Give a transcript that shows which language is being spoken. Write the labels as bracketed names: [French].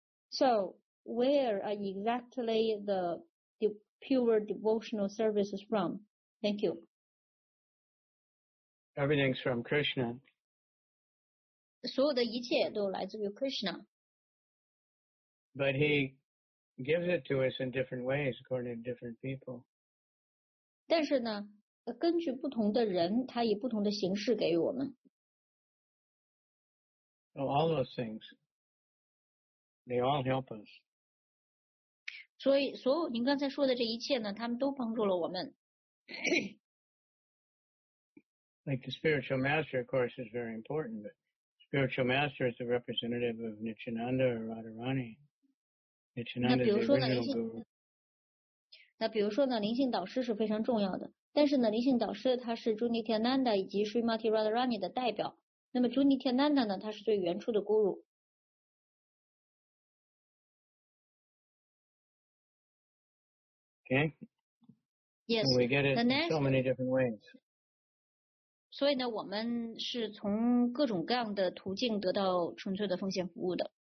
[English] So where are exactly the pure devotional services from? Thank you. Everything's from Krishna. [Chinese] 所有的一切都来自于 Krishna. [English] But he gives it to us in different ways according to different people. [Chinese] 但是呢，根据不同的人，他以不同的形式给予我们。 [English] So all those things, they all help us. [Chinese] 所以所有您刚才说的这一切呢，他们都帮助了我们。 [English] Like the spiritual master, of course, is very important, but spiritual master is the representative of Nityananda or Radharani. Nityananda is the original guru. [Chinese] 那比如说呢，灵性导师是非常重要的。但是呢，灵性导师他是朱尼天南达以及 Srimati Radharani 的代表。那么朱尼天南达呢，他是最原初的guru。 [English] Okay. Yes. And we get it in so many different ways. [Chinese] 所以呢，我们是从各种各样的途径得到纯粹的奉献服务的。